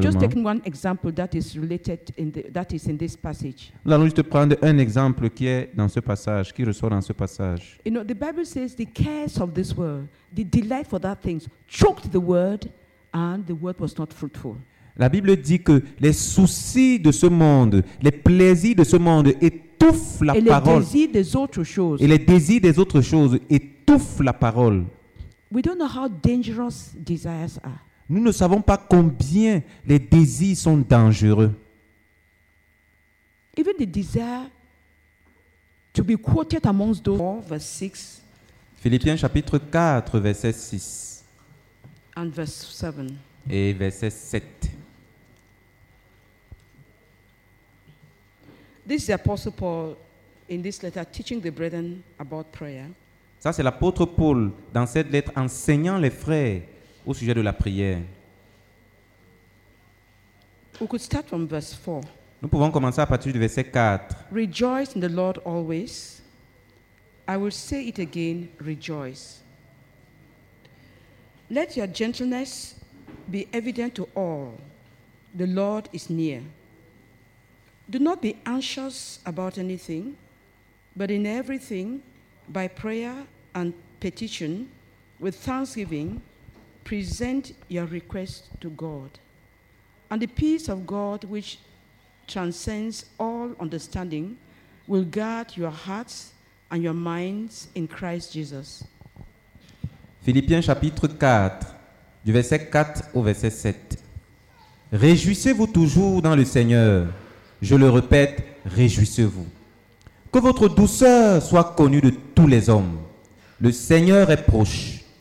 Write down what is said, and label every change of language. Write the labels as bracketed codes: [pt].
[en] We'll just take one example that is related in the, that is in this passage. [fr] Nous allons juste prendre un exemple qui est dans ce passage, qui ressort dans ce passage. [en] You know, the Bible says the cares of this world, the delight for that things choked the word, and the word was not fruitful. [fr] La Bible dit que les soucis de ce monde, les plaisirs de ce monde étouffent la et parole. Les désirs des autres choses. Et les désirs des autres choses étouffent la parole. [en] We don't know how dangerous desires are. [fr] Nous ne savons pas combien les désirs sont dangereux. [en] Even the desire to be quoted amongst those. 4, verse 6. [fr] Philippiens chapitre 4, verset 6. [en] And verse 7. [fr] Et verset 7. [en] This is the Apostle Paul in this letter teaching the brethren about prayer. [fr] Ça, c'est l'apôtre Paul dans cette lettre enseignant les frères au sujet de la prière. [en] We could start from verse 4. [fr] Nous pouvons commencer à partir du verset 4. [en] Rejoice in the Lord always. I will say it again, rejoice. Let your gentleness be evident to all. The Lord is near. Do not be anxious about anything, but in everything, by prayer and petition, with thanksgiving, present your request to God. And the peace of God, which transcends all understanding, will guard your hearts and your minds in Christ Jesus. [fr] Philippiens chapitre 4, du verset 4 au verset 7. Réjouissez-vous toujours dans le Seigneur. Je le répète, réjouissez-vous. Que votre douceur soit connue de tous les hommes. Le Seigneur est proche.